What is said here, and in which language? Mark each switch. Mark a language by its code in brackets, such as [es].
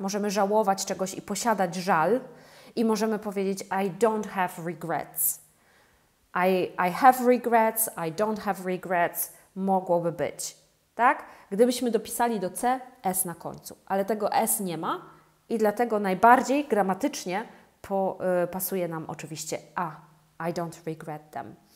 [pl] Możemy żałować czegoś i posiadać żal. I możemy powiedzieć, [en] I don't have regrets. I have regrets, I don't have regrets, [pl] mogłoby być, tak? Gdybyśmy dopisali do C, S na końcu, ale tego S nie ma i dlatego najbardziej gramatycznie pasuje nam oczywiście A, [en] I don't regret them.